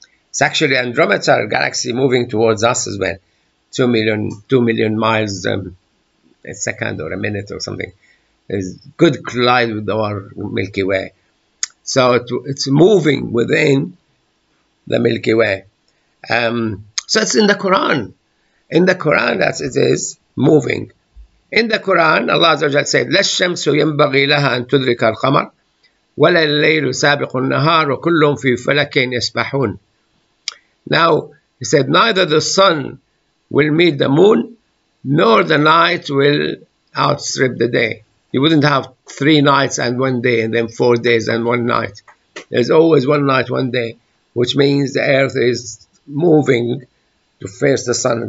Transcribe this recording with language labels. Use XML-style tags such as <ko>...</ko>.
<en>It's actually Andromeda galaxy moving towards us as well. 2 million miles a second or a minute or something. It's good collide with our Milky Way. So it's moving within the Milky Way. So it's in the Quran. In the Quran, that it is moving. In the Quran, Allah Azza wa Jalla said,</en> <ar>لَشَّمْسُ يَنْبَغِي لَهَا أَن تُدْرِكَ الْقَمَرَ وَلَا اللَّيْلُ سَابِقُ النَّهَارُ وَكُلُّهُمْ فِي فَلَكٍ يَسْبَحُونَ.</ar> <en>Now, he said, neither the sun will meet the moon, nor the night will outstrip the day. You wouldn't have three nights and one day, and then 4 days and one night. There's always one night, one day, which means the earth is moving to face the sun.</en>